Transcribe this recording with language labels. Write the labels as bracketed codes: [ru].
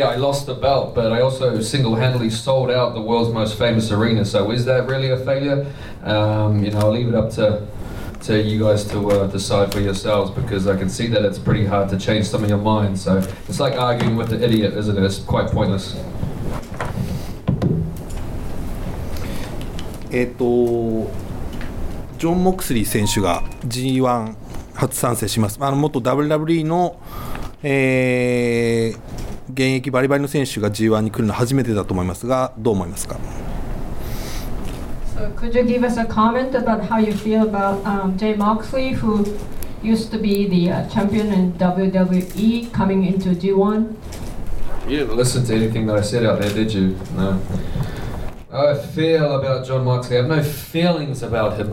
[en] I lost the belt, but I also single-handedly sold out the world's most famous arena. So is that really a failure? You know, I'll leave it up to you guys to decide for yourselves, because I can see that it's pretty hard to change some of your mind. So it's like arguing with an idiot, isn't it? It's quite pointless. [ja] ジョン・モクスリー選手が G1 初参戦します。あの元 WWE の、現役バリバリの選手が G1 に来るのは初めてだと思いますが、どう思いますか？ [en] So, could you give us a comment about how you feel about Jay Moxley, who used to be the champion in WWE, coming into G1? You didn't listen to anything that I said out there, did you? No. I feel about John Moxley. I have no feelings about him.